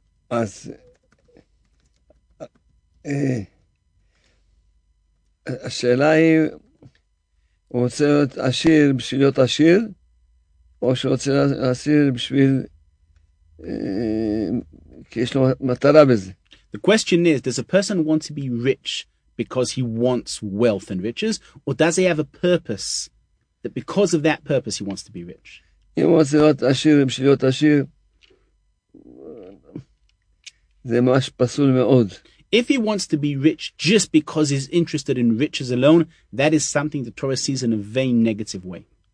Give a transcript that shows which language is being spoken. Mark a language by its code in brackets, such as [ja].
[he] As השאלה היא, הוא רוצה להיות עשיר בשביל להיות עשיר, או שהוא רוצה להעשיר בשביל, כי יש לו מטרה בזה. [en] The question is, does a person want to be rich because he wants wealth and riches, or does he have a purpose that because of that purpose he wants to be rich? [he] אם הוא רוצה להיות עשיר בשביל להיות עשיר, זה ממש פסול מאוד. [en] If he wants to be rich just because he's interested in riches alone, that is something the Torah sees in a vain, negative way.